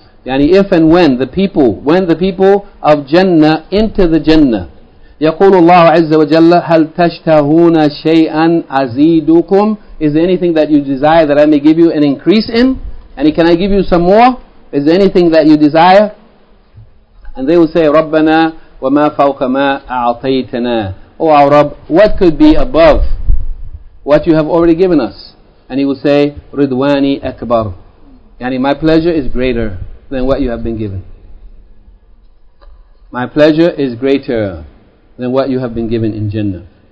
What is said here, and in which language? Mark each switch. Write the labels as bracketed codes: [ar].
[en] Yani if and when the people of Jannah enter the Jannah, [ar] يَقُولُ اللَّهُ عَزَّ وَجَلَّ هَلْ تَشْتَهُونَ شَيْئًا أَزِيدُكُمْ. [en] Is there anything that you desire that I may give you an increase in? And can I give you some more? Is there anything that you desire? And they will say, [ar] رَبَّنَا وَمَا فَوْقَ مَا أَعْطَيْتَنَا. [en] O our Rabb, what could be above what You have already given us? And He will say, [ar] رِضْوَانِ أَكْبَرُ. [en] Yani My pleasure is greater than what You have been given. My pleasure is greater than what You have been given in Jannah.